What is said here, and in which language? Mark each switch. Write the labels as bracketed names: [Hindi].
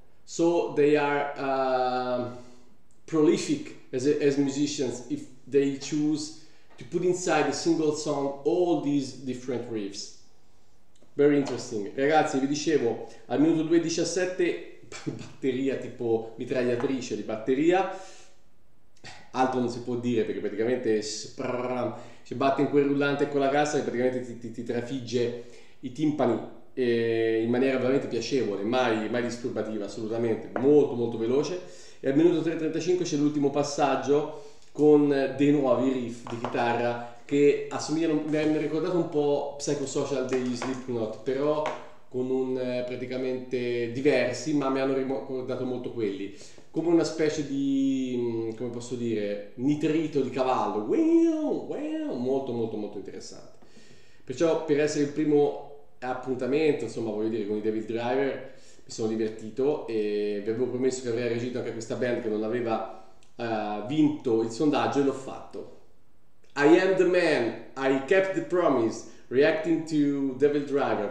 [Italian] So they are prolific as musicians if they choose to put inside a single song all these different riffs. Very interesting. Ragazzi, vi dicevo, al minuto 2:17 batteria tipo mitragliatrice di batteria, altro non si può dire, perché praticamente si batte in quel rullante con la cassa e praticamente ti trafigge i timpani in maniera veramente piacevole, mai disturbativa, assolutamente, molto molto veloce. E al minuto 3:35 c'è l'ultimo passaggio con dei nuovi riff di chitarra che assomigliano, mi hanno ricordato un po' Psychosocial degli Slipknot, però con un praticamente diversi, ma mi hanno ricordato molto quelli, come una specie di, come posso dire, nitrito di cavallo, molto molto molto interessante. Perciò, per essere il primo appuntamento, insomma, voglio dire, con i DevilDriver, mi sono divertito e vi avevo promesso che avrei reagito anche a questa band che non aveva vinto il sondaggio, e l'ho fatto. [English] I am the man, I kept the promise, reacting to DevilDriver.